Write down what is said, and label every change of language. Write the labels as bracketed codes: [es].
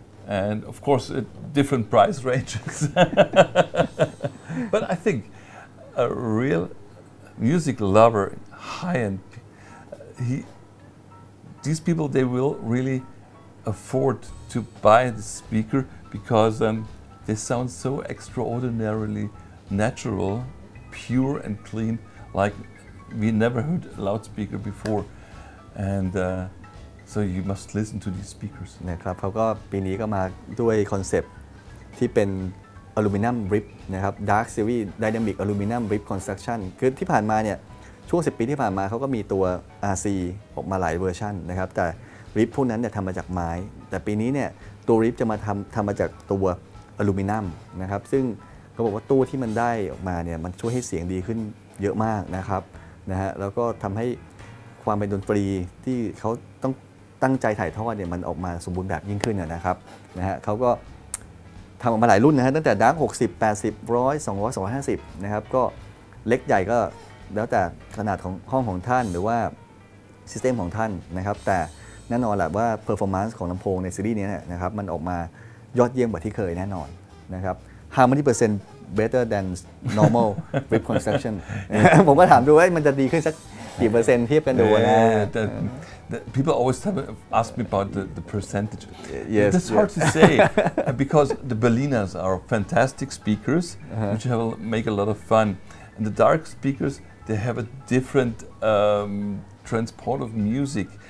[en] And of course, different price ranges. But I think a real music lover, high-end, these people, they will really afford to buy the speaker because they sound so extraordinarily natural, pure and clean, like we never heard a loudspeaker before. And so you must listen to these speakers. [th] นะครับเขาก็ปีนี้ก็มาด้วยคอนเซปต์ที่เป็นอลูมิเนียมริบนะครับ Dark Series Dynamic Aluminum Rib Construction คือที่ผ่านมาเนี่ยช่วง10ปีที่ผ่านมาเขาก็มีตัว RC ออกมาหลายเวอร์ชันนะครับแต่ริบพวกนั้นเนี่ยทำมาจากไม้แต่ปีนี้เนี่ยตัวริบจะมาทำมาจากตัว อลูมิเนียมนะครับซึ่งเขาบอกว่าตู้ที่มันได้ออกมาเนี่ยมันช่วยให้เสียงดีขึ้นเยอะมากนะครับนะฮะแล้วก็ทำให้ความเป็นดนตรีที่เขาต้องตั้งใจถ่ายทอดเนี่ยมันออกมาสมบูรณ์แบบยิ่งขึ้นนะครับนะฮะเขาก็ ทำออกมาหลายรุ่นนะฮะตั้งแต่ดัง60 80 100 200 250นะครับก็เล็กใหญ่ก็แล้วแต่ขนาดของห้องของท่านหรือว่าซิสเต็มของท่านนะครับแต่แน่นอนแหละว่าเพอร์ฟอร์แมนซ์ของลำโพงในซีรีส์นี้นะครับมันออกมายอดเยี่ยมกว่าที่เคยแน่นอนนะครับ [en] Harmony percent better than normal rib construction [th] ผมก็ถามดูว่ามันจะดีขึ้นสักกี่เปอร์เซ็นต์เทียบกันดูนะ [en] People always ask me about the percentage. Yes, that's hard to say because the Berliners are fantastic speakers, which make a lot of fun. And the Dark speakers, they have a different transport of music.